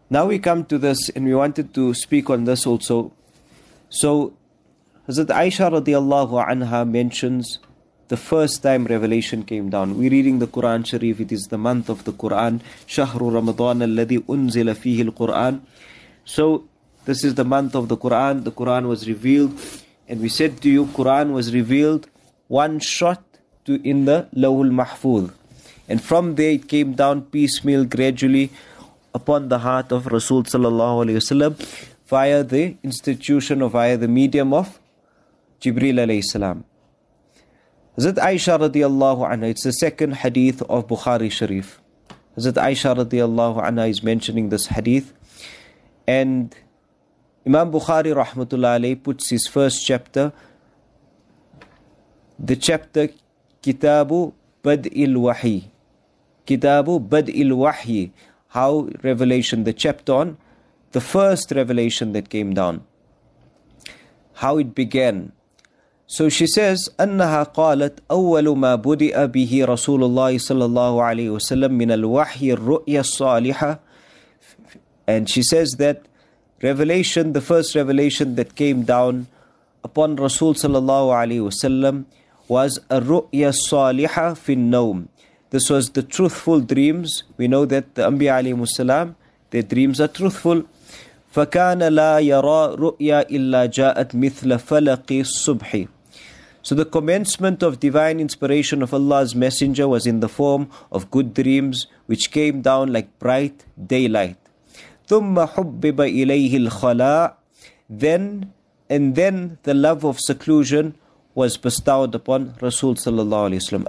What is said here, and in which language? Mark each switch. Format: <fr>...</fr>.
<en>Now we come to this, and we wanted to speak on this also. So Hazrat Aisha radiallahu anha mentions the first time revelation came down. We're reading the Quran Sharif. It is the month of the Quran.</en> <ar>شهر رمضان الذي أنزل فيه القرآن.</ar> <en>So this is the month of the Quran. The Quran was revealed. And we said to you, Quran was revealed one shot to in the Lawul Mahfuz. And from there it came down piecemeal gradually upon the heart of Rasul sallallahu alayhi wasallam via the institution or via the medium of Jibreel alayhi salam. Hazrat Aisha radiallahu anha, it's the second hadith of Bukhari Sharif. Hazrat Aisha radiallahu anha is mentioning this hadith. And Imam Bukhari rahmatullah alayhi puts his first chapter, the chapter Kitabu Bad'il Wahi. Kitabu Bad'il Wahyi, how revelation, the chapter on the first revelation that came down, how it began. So she says,</en> <ar>أنها قالت أول ما بدأ به رسول الله صلى الله عليه وسلم من الوحي الرؤيا الصالحة.</ar> <en>And she says that revelation, the first revelation that came down upon رسول صلى الله عليه وسلم was a</en> <ar>رؤيا الصالحة في النوم.</ar> <en>This was the truthful dreams. We know that the Anbiya عليهم السلام, their dreams are truthful.</en> <ar>فكان لا يرى رؤيا إلا جاءت مثل فلق الصبح.</ar> <en>So the commencement of divine inspiration of Allah's Messenger was in the form of good dreams, which came down like bright daylight.</en> <ar>ثُمَّ حُبِّبَ إِلَيْهِ الْخَلَاءِ.</ar> <en>Then the love of seclusion was bestowed upon Rasul sallallahu alayhi wa sallam.</en>